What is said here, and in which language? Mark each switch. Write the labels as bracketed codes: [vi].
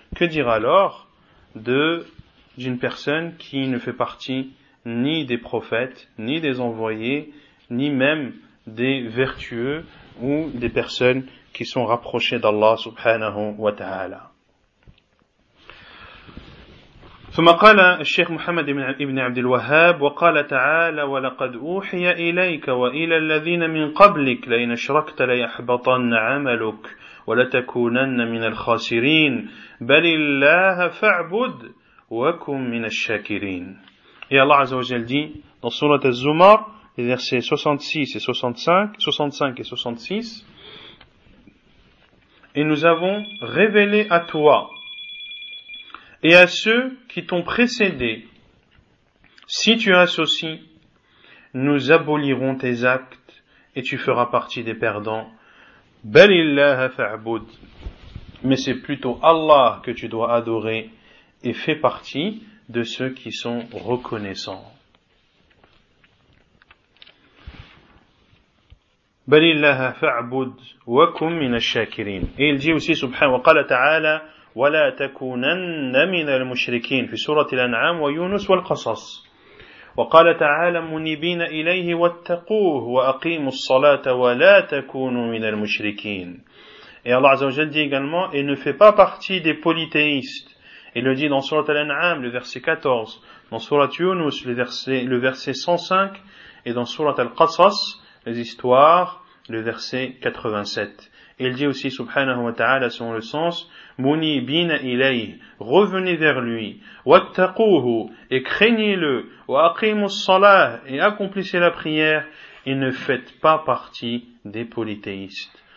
[fr] Que dire alors d'une personne qui ne fait partie ni des prophètes, ni des envoyés, ni même des vertueux ou des personnes qui sont rapprochées d'Allah subhanahu wa ta'ala. [ar] ثم قال الشيخ محمد بن عبد الوهاب وقال تعالى ولقد أوحي إليك وإلى الذين من قبلك لئن أشركت ليحبطن عملك ولتكونن من الخاسرين بل الله فاعبد وكن من الشاكرين. [fr] Et Allah عز وجل dit dans sourate Az-Zumar, les versets 65 et 66, et nous avons révélé à toi et à ceux qui t'ont précédé, si tu associes, nous abolirons tes actes et tu feras partie des perdants. [ar] Balillaha fa'bud. [fr] Mais c'est plutôt Allah que tu dois adorer et fais partie de ceux qui sont reconnaissants. [ar] Balillaha fa'bud wa kum min ash-shakirin. [fr] Et il dit aussi [ar] subhanahu wa qala ta'ala ولا تكونن من المشركين في سورة الأنعام ويونس والقصص. وقال تعالى منيبين إليه واتقوه وأقيموا الصلاة ولا تكونوا من المشركين. [fr] Et Allah Azza wa Jalla dit également, et ne fais pas partie des polythéistes. Il le dit dans sourate Al-An'am, le verset 14, dans sourate Yunus, le verset 105, et dans sourate Al-Qasas, les histoires, le verset 87. Il dit aussi, subhanahu wa ta'ala, selon le sens, [ar] Muni bina ilayh, [fr] revenez vers lui, [ar] wattaquhu, [fr] et craignez-le, [ar] wa aqimu salah, [fr] et accomplissez la prière, et ne faites pas partie des polythéistes.